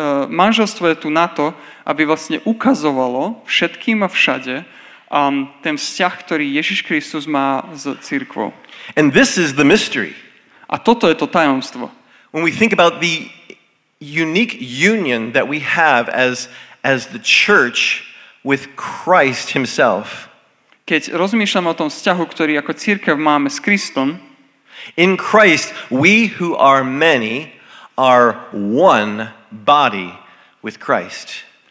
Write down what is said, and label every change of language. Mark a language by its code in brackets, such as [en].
[sk] Manželstvo je tu na to, aby vlastne ukazovalo všetkým a všade ten vzťah, ktorý Ježiš Kristus má s cirkvou. [en] And this is the mystery. [sk] A toto je to tajomstvo. [en] When we think about the unique union that we have as the church with Christ himself. [sk] Keď rozmýšľam o tom vzťahu, ktorý ako cirkev máme s Kristom, [en] in Christ we who are many are one body with Christ.